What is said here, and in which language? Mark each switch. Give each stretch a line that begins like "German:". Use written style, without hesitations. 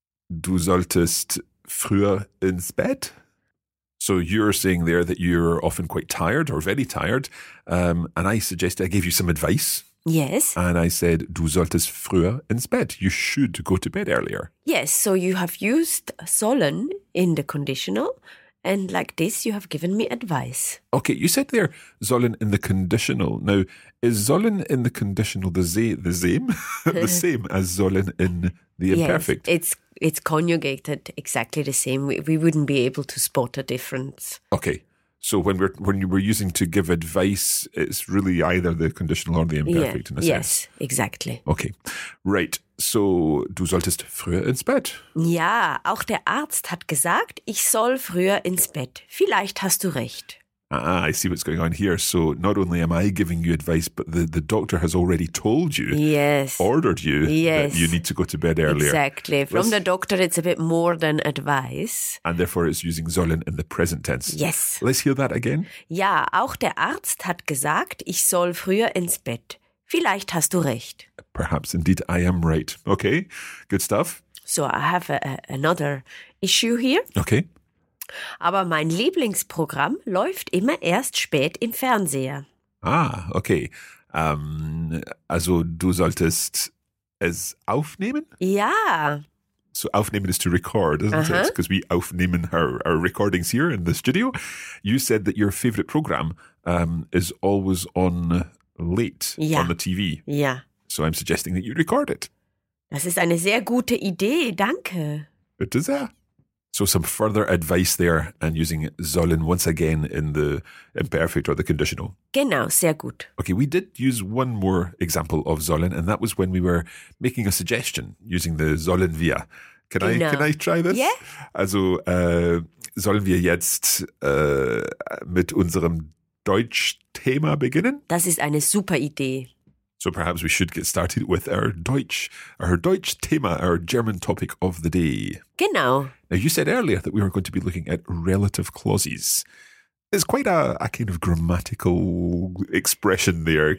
German: Du solltest früher ins Bett.
English: So you're saying there that you're often quite tired or very tired. And I gave you some advice. Yes. And I said,
German: du solltest früher ins Bett.
English: You should go to bed earlier. Yes. So you have used sollen in the conditional. And like this, you have given me advice. Okay. You said there, sollen in the conditional. Now, is sollen in the conditional the same? The same as sollen in the imperfect? Yes, it's conjugated exactly the same. We wouldn't be able to spot a difference. Okay. So when you were using to give advice, it's really either the conditional or the imperfect in a sense. Yes, exactly. Okay. Right.
German: So du solltest früher ins Bett. Ja, auch der Arzt hat gesagt, ich soll früher ins Bett. Vielleicht hast du recht.
English: Ah, I see what's going on here. So not only am I giving you advice, but the doctor has already told you, ordered you, that you need to go to bed earlier. Exactly. From the doctor, it's a bit more than advice. And therefore it's using sollen in the present tense. Yes. Let's hear that again.
German: Ja, auch der Arzt hat gesagt, ich soll früher ins Bett. Vielleicht hast du recht.
English: Perhaps indeed I am right. Okay, good stuff. So I have another issue here. Okay.
German: Aber mein Lieblingsprogramm läuft immer erst spät im Fernseher.
English: Ah, okay.
German: Also du solltest es aufnehmen? Ja.
English: So aufnehmen is to record, isn't it? Because we aufnehmen our recordings here in the studio. You said that your favorite program is always on late on the TV.
German: Ja.
English: So I'm suggesting that you record it.
German: Das ist eine sehr gute Idee, danke.
English: It is, So some further advice there and using sollen once again in the imperfect or the conditional.
German: Genau, sehr gut.
English: Okay, we did use one more example of sollen and that was when we were making a suggestion using the sollen wir. Can I try this? Yeah.
German: Also sollen wir jetzt mit unserem Deutsch-Thema beginnen? Das ist eine super Idee.
English: So perhaps we should get started with our Deutsch-Thema, our German topic of the day.
German: Genau.
English: Now, you said earlier that we were going to be looking at relative clauses. It's quite a kind of grammatical expression there.